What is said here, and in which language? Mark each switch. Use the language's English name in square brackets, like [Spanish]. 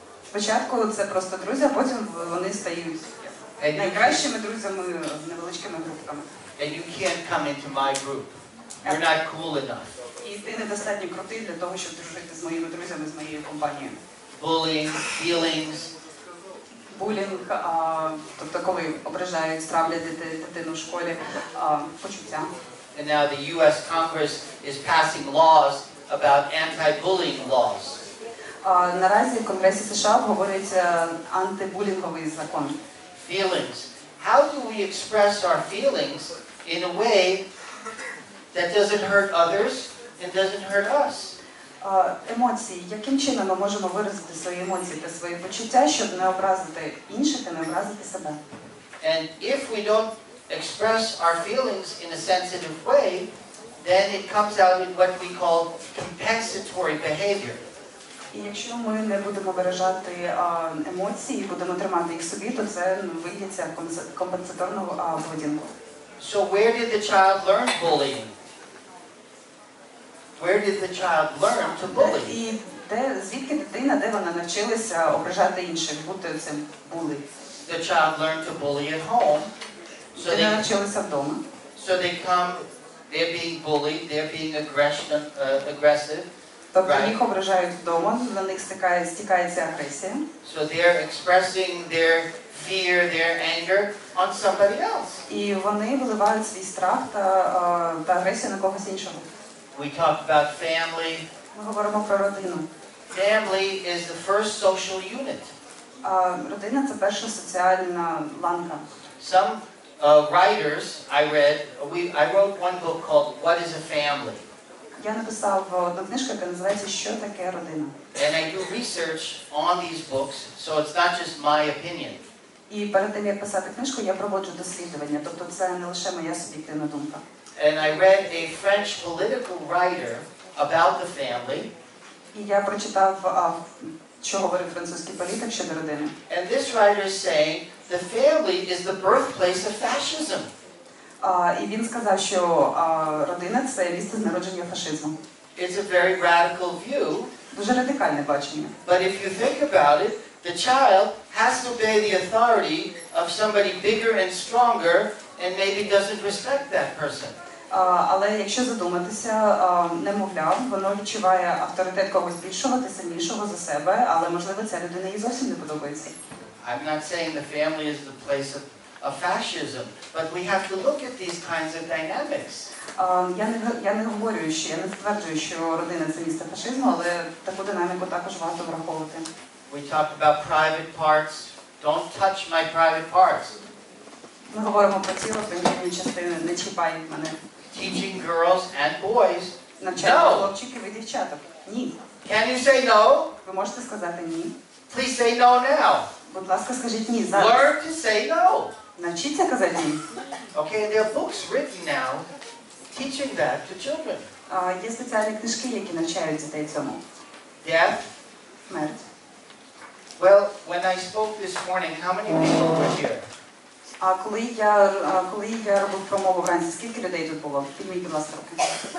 [Ukrainian] Спочатку це просто друзі, а потім вони стають найкращими друзями з невеличкими групками. [English] And you can't come into my group. You're not cool enough. [Ukrainian] І ти недостатньо крутий для того, щоб дружити з моїми друзями, з моєю компанією. [English] Bullying, feelings. [Ukrainian] Булінг, тобто коли ображають, травлять дитину в школі, почуття. [English] And now the US Congress is passing laws about anti-bullying laws. [Ukrainian] Наразі в Конгресі США обговорюється антибулінговий закон. [English] Feelings. How do we express our feelings in a way that doesn't hurt others and doesn't hurt us? [Ukrainian] Емоції. Яким чином ми можемо виразити свої емоції та свої почуття, щоб не образити інших, а не образити себе? [English] And if we don't express our feelings in a sensitive way, then it comes out in what we call compensatory behavior. [Ukrainian] І якщо ми не будемо бережати емоції і будемо тримати їх собі, то це вийдеться компенсаторного поведінку. [English] So where did the child learn bullying? Where did the child learn to bully? [Ukrainian] Звідки дитина, де вона навчилася ображати інших, бути цим були? [English] The child learned to bully at home. So they [Ukrainian] навчилися вдома. [English] So they come, they're being bullied, they're being aggressive. [Ukrainian] Тобто їх ображають вдома, на них стікається агресія. [English] So they're expressing their fear, their anger on somebody else. [Ukrainian] І вони виливають свій страх та агресію на когось іншого. [English] We talk about family. [Ukrainian] Ми говоримо про родину. [English] Family is the first social unit. [Ukrainian] Родина – це перша соціальна ланка. [English] Some writers I read, I wrote one book called What is a Family? [Ukrainian] Я написав одну книжку, яка називається «Що таке родина?». [English] And I do research on these books, so it's not just my opinion. [Ukrainian] І перед тим, як писати книжку, я проводжу дослідування, тобто це не лише моя суб'єктивна думка. [English] And I read a French political writer about the family. [Ukrainian] І я прочитав, що говорив французький політик щодо родини. [English] And this writer is saying the family is the birthplace of fascism. [Ukrainian] І він сказав, що родина – це місце народження фашизму. [English] It's a very radical view. [Ukrainian] Дуже радикальне бачення. [English] But if you think about it, the child has to obey the authority of somebody bigger and stronger and maybe doesn't respect that person. [Ukrainian] Але якщо задуматися, немовляв, воно відчуває авторитет когось більшого та сильнішого за себе, але, можливо, ця людина їй зовсім не подобається. [English] I'm not saying the family is the place of fascism, but we have to look at these kinds of dynamics. [Ukrainian] Я не говорю, що я не стверджую, що родина – це місце фашизму, але таку динаміку також варто враховувати. [English] We talk about private parts. Don't touch my private parts. [Ukrainian] Ми говоримо про тіло, принаймні частини, не чіпай мене. [English] Teaching girls and boys. [Ukrainian] Навчаємо хлопчиків і дівчаток. Ні. [English] Can you say no? [Ukrainian] Ви можете сказати ні. [English] Please say no now. [Ukrainian] Будь ласка, скажіть ні зараз. [English] Learn to say no. [Ukrainian] Навчіться казати ні. [English] Okay, there are books written now teaching that to children. [Ukrainian] Є спеціальні книжки, які навчають дітей цьому. [English] Death. [Ukrainian] Смерть. [English] Well, when I spoke this morning, how many people were here? [Ukrainian] Коли я робив промову вранці, скільки людей тут було? Підніміть, будь ласка, руки.